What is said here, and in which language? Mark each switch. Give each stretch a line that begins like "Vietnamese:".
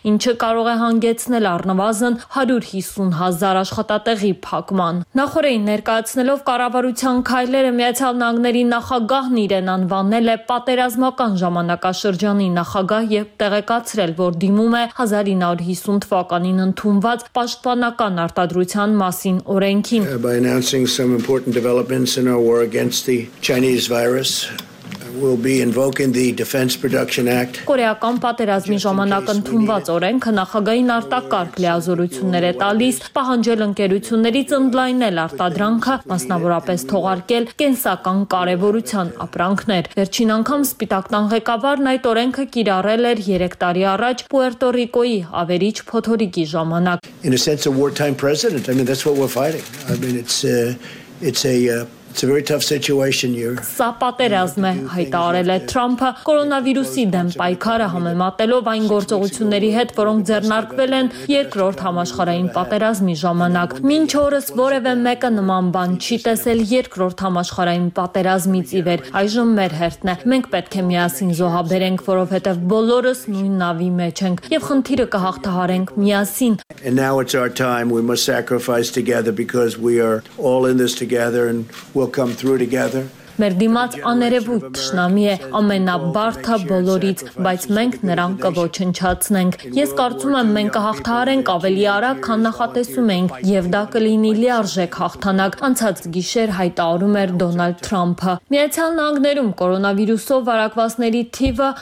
Armenian: ինչը կարող է հանգեցնել առնվազն 150,000 աշխատատեղի փակման։ Նախորդին ներկայացնելով կառավարության քայլերը, Միացյալ Նահանգների նախագահն իրեն անվանել է պատերազմական ժամանակաշրջանի նախագահ և տեղեկացրել, որ դիմում է 1950 թվականին ընդունված պաշտպանական արտադրության մասին օրենքին։
English: By announcing some important developments in our war against the Chinese virus, will be invoking the Defense Production Act.
Armenian: Կորեական պատերազմի ժամանակ ընդունված օրենքը նախագահին արտակարգ լիազորություններ է տալիս, պահանջել ընկերություններից ընդլայնել արտադրանքը, մասնավորապես թողարկել կենսական կարևորության ապրանքներ։ Վերջին անգամ Սպիտակ տան ղեկավարն այդ օրենքը կիրառել էր 3 տարի առաջ Պուերտո Ռիկոյի ավերիչ փոթորիկի ժամանակ։
English: In a sense, a wartime president. I mean, that's what we're fighting. I mean, it's a very tough situation here.
Armenian: Սա պատերազմ է, հայտարել է Թրամփը, կորոնավիրուսի դեմ պայքարը համեմատելով այն գործողությունների հետ, որոնք ձեռնարկվել են երկրորդ համաշխարհային պատերազմի ժամանակ։ Մինչ օրս որևէ մեկը նման բան չի տեսել երկրորդ համաշխարհային պատերազմից ի վեր։ Այժմ մեր հերթն է։ Մենք պետք է միասին զոհաբերենք, որովհետև բոլորս նույն նավի մեջ ենք, եւ խնդիրը կհաղթահարենք միասին։
English: And now it's our time. We must sacrifice together because we are all in this together and we'll come through together.
Armenian: Մեր դիմաց աներևույթ ճշնամի է, ամենաբարդը բոլորից, բայց մենք նրան կոչնչացնենք։ Ես կարծում եմ, մենք կհաղթահարենք ավելի արագ, քան նախատեսում ենք, եւ դա կլինի լիարժեք հաղթանակ, անցած գիշեր հայտարարում էր Դոնալդ Թրամփը։ Միացյալ Նահանգներում կորոնավիրուսով վարակվածների թիվը